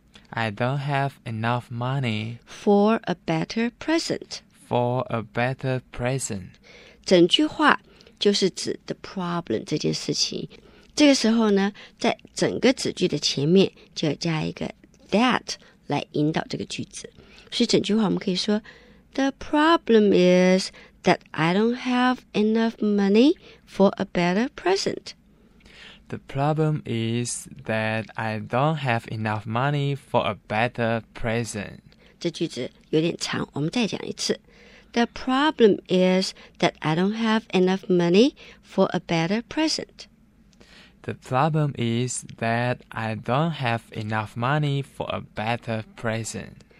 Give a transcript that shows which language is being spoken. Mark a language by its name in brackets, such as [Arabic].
[English] I don't have enough money. For a better present. For a better present. [Chinese] 整句话就是指 [English] the problem [Chinese] 这件事情。这个时候呢，在整个子句的前面就要加一个 that 来引导这个句子。所以整句话我们可以说 [English] The problem is that I don't have enough money for a better present. The problem is that I don't have enough money for a better present. [Chinese] 这句子有点长，我们再讲一次。 [English] The problem is that I don't have enough money for a better present. The problem is that I don't have enough money for a better present.